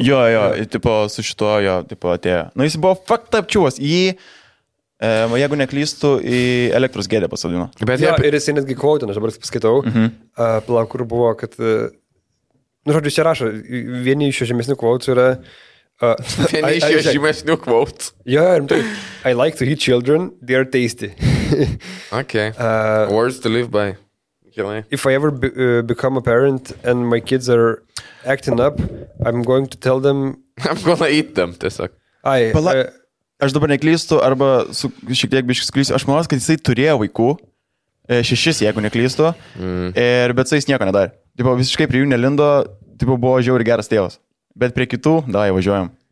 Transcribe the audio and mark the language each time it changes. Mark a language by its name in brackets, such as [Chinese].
[Lithuanian] Jo, jo, tipo, su šituo, jo, tipo, atėjo. Nu, jis buvo fakt apčiuvas, jį Jeigu neklystų, į elektros gėdę pasodino. Bet jo, ir jisai netgi kvautino, aš dabar paskaitau. Kur buvo, kad... Nu, žodžiu, čia rašo, vieni iš jo žemesnių kvautų yra... vieni iš jo žemesnių kvautų. Jo, ir [English] I like to eat children, they are tasty. Okay. Words to live by. If I ever become a parent and my kids are acting up, I'm going to tell them... I'm gonna eat them, [Lithuanian] tiesiog. Ai, Aš dabar neklystu, arba su, šiek tiek biškis klystu. Aš manau, kad jisai turėjo vaikų, šešis, jeigu neklystu, ir, bet jis nieko nedarė. Taip, visiškai prie jų nelindo, taip, buvo žiauri geras tėvas. Bet prie kitų, davai, važiuojam.